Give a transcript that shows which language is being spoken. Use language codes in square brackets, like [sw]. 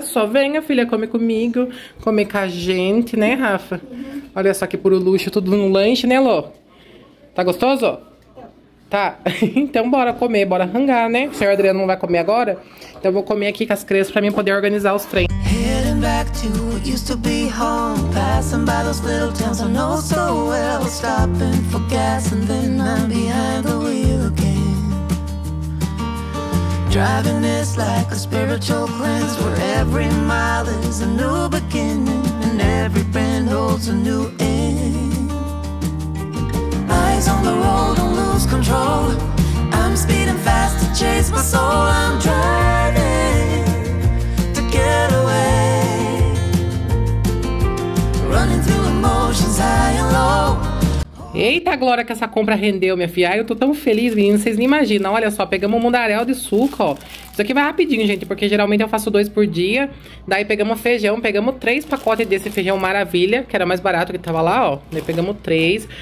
[pt] Só venha, filha, come comigo. Comer com a gente, né, Rafa? Olha só que puro luxo, tudo no lanche, né, Lô? Tá gostoso? Tá. Então bora comer, bora rangar, né? O senhor Adriano não vai comer agora? Então eu vou comer aqui com as crianças pra mim poder organizar os trens. [en] Heading back to what used to be home. Passing by those little towns I know so well. Stopping for gas and then I'm behind the wheel again. Driving is like a spiritual cleanse. Where every mile is a new beginning. And every bend holds a new end. Eyes on the road, don't lose control. I'm speeding fast to chase my soul. I'm driving to get away. Running through emotions high and low. [pt] Eita, glória que essa compra rendeu, minha filha. Ai, eu tô tão feliz, menino, vocês nem imaginam. Olha só, pegamos um mundaréu de suco, ó. Isso aqui vai rapidinho, gente, porque geralmente eu faço 2 por dia. Daí pegamos feijão, pegamos 3 pacotes desse feijão maravilha, que era mais barato que tava lá, ó. Daí pegamos 3.